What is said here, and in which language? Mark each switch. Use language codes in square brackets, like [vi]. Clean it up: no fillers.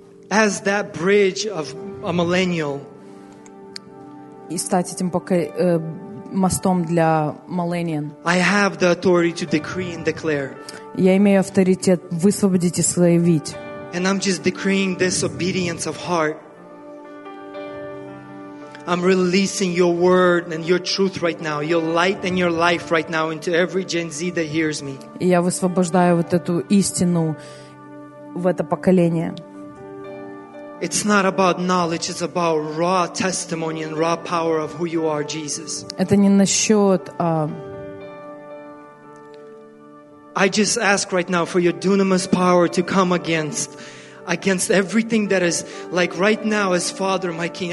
[en] As that bridge of a millennial. [ru] И стать этим мостом для millennial. [en] I have the authority to decree and declare. [ru] Я имею авторитет высвободить и заявить. [en] And I'm just decreeing this obedience of heart. I'm releasing your word and your truth right now, your light and your life right now into every Gen Z that hears me. [ru] Я высвобождаю вот эту истину в это поколение. [en] It's not about knowledge, it's about raw testimony and raw power of who you are, Jesus. [ru] Это не насчет [en] I just ask right now for your dunamis power to come against everything that is like right now as Father, my King.